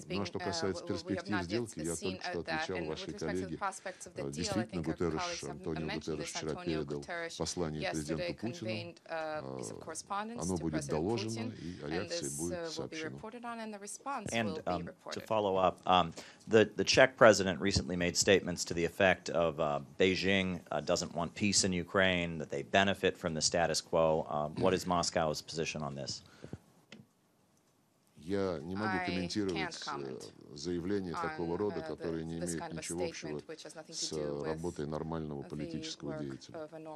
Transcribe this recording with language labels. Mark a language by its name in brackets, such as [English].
[Russian] Ну а что касается перспектив сделки, я только что отвечал вашей коллеге. Действительно, Антонио Гутерреш вчера передал послание президенту Путину. Оно будет доложено, и о реакции будет сообщено. [English] The Czech president recently made statements to the effect of Beijing doesn't want peace in Ukraine, that they benefit from the status quo. What is Moscow's position on this? [Russian] Я не могу комментировать заявление такого рода, которое не имеет ничего общего с работой нормального политического деятеля.